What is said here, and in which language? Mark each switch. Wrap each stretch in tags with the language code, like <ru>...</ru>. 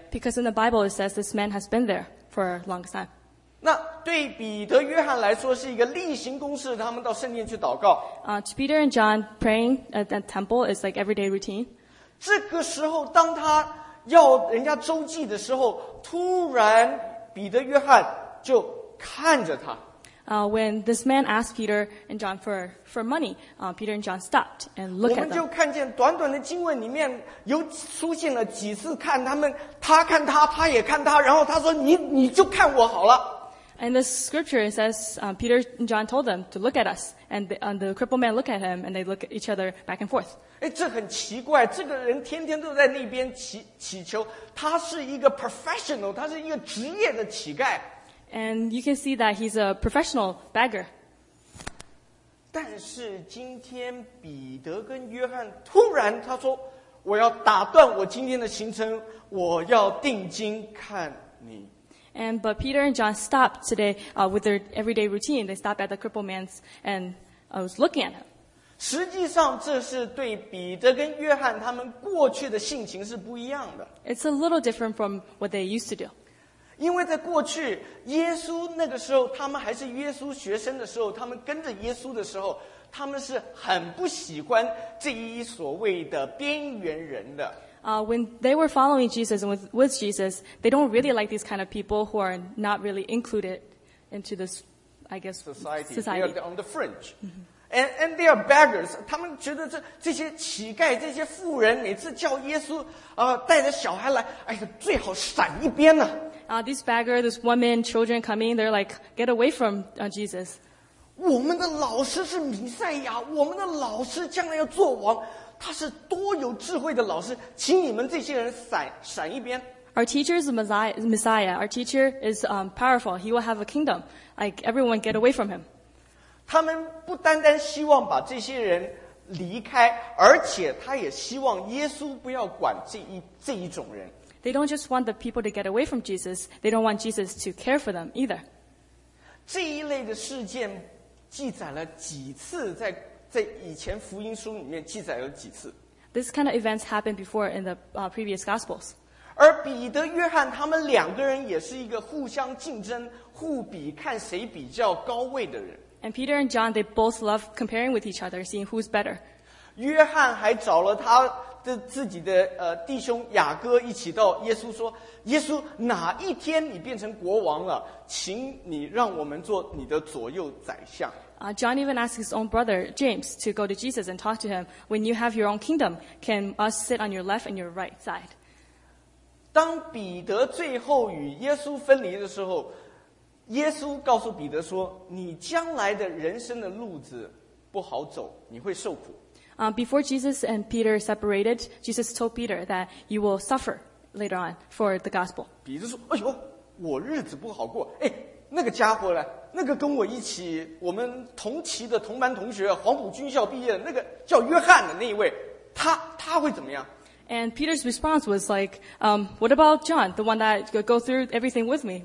<en>Because in the Bible it says this man has been there for a long time.</en> <zh>那对彼得、约翰来说是一个例行公事，他们到圣殿去祷告。</zh> <en>To Peter and John, praying at the temple is like everyday routine.</en> <zh>这个时候，当他要人家周济的时候，突然彼得、约翰就看着他。</zh> <en>When this man asked Peter and John for money, Peter and John stopped and looked at them.</en> <zh>我们就看见短短的经文里面有出现了几次看他们，他看他，他也看他，然后他说你就看我好了。</zh> <en>And the scripture says Peter and John told them to look at us, and the crippled man looked at him, and they look at each other back and forth.</en> <zh>哎，这很奇怪，这个人天天都在那边祈求，他是一个 professional， 他是一个职业的乞丐。</zh> <en>And you can see that he's a professional beggar.</en> <zh>但是今天彼得跟约翰突然他说，我要打断我今天的行程，我要定睛看你。</zh> <en>And but Peter and John stopped today with their everyday routine. They stopped at the crippled man's and was looking at him.</en> <zh>实际上，这是对彼得跟约翰他们过去的性情是不一样的。</zh> <en>It's a little different from what they used to do.</en> <zh>因为在过去，耶稣那个时候，他们还是耶稣学生的时候，他们跟着耶稣的时候，他们是很不喜欢这一所谓的边缘人的。</zh> <en>When they were following Jesus and with Jesus, they don't really like these kind of people who are not really included into this, I guess, society. They are on the fringe. And they are beggars.</en> <zh>他们觉得这些乞丐、这些富人每次叫耶稣带着小孩来，哎呀，最好闪一边呢。</zh> <en>These beggars, these women, children coming, they're like, get away from Jesus.</en> <zh>我们的老师是弥赛亚，我们的老师将来要做王。他是多有智慧的老师，请你们这些人闪一边。</zh> <en>Our teacher is the Messiah. Our teacher is powerful. He will have a kingdom. Like everyone, get away from him.</en> <zh>他们不单单希望把这些人离开，而且他也希望耶稣不要管这一种人。</zh> <en>They don't just want the people to get away from Jesus. They don't want Jesus to care for them either.</en> <zh>这一类的事件记载了几次在以前福音书里面记载了几次。</zh> <en>This kind of events happened before in the previous Gospels.</en> <zh>而彼得、约翰他们两个人也是一个互相竞争、互比，看谁比较高位的人。</zh> <en>And Peter and John, they both love comparing with each other, seeing who's better.</en> <zh>约翰还找了他的自己的弟兄雅各一起到耶稣说：“耶稣，哪一天你变成国王了，请你让我们做你的左右宰相。”</zh> <en>John even asked his own brother, James, to go to Jesus and talk to him. When you have your own kingdom, can us sit on your left and your right side?</en> <zh>当彼得最后与耶稣分离的时候，耶稣告诉彼得说，你将来的人生的路子不好走，你会受苦。</zh> <en>Before Jesus and Peter separated, Jesus told Peter that you will suffer later on for the gospel.</en> <zh>彼得说，哎呦，我日子不好过，哎，那个家伙呢？那个跟我一起，我们同期的同班同学，黄埔军校毕业的那个叫约翰的那一位，他会怎么样</zh> <en>？And Peter's response was like, "What about John, the one that go through everything with me?</en>